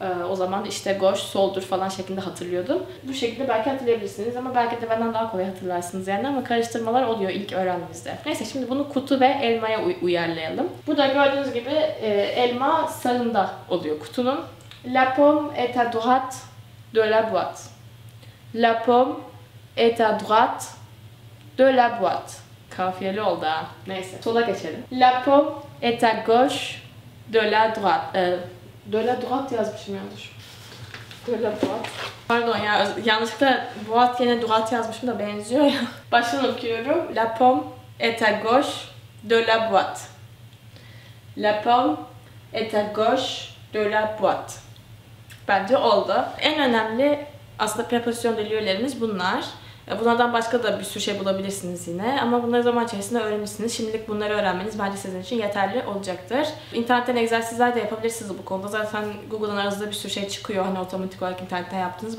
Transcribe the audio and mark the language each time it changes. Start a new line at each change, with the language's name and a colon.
Turkish: O zaman işte gauche soldur falan şeklinde hatırlıyordum. Bu şekilde belki hatırlayabilirsiniz ama belki de benden daha kolay hatırlarsınız yani ama karıştırmalar oluyor ilk öğrendiğinizde. Neyse şimdi bunu kutu ve elmaya uyarlayalım. Burada gördüğünüz gibi elma sağında oluyor kutunun.
French: La pomme est à droite de la boîte. La pomme est à droite de la boîte.
Turkish: Kafiyeli oldu ha. Neyse sola geçelim.
French: La pomme est à gauche de la droite. De la droite
Turkish: yazmışım yanlış.
French: De la droite.
Turkish: Pardon ya yanlışlıkla boîte yerine droite yazmışım da benziyor ya. Baştan okuyorum.
French: La pomme est à gauche de la boîte. La pomme est à gauche de la boîte.
Turkish: Bence oldu. En önemli aslında preposition delieu'lerimiz bunlar. Bunlardan başka da bir sürü şey bulabilirsiniz yine. Ama bunları zaman içerisinde öğrenmişsiniz. Şimdilik bunları öğrenmeniz bence sizin için yeterli olacaktır. İnternetten egzersizler de yapabilirsiniz bu konuda. Zaten Google'dan aranızda bir sürü şey çıkıyor. Hani otomatik olarak internetten yaptınız.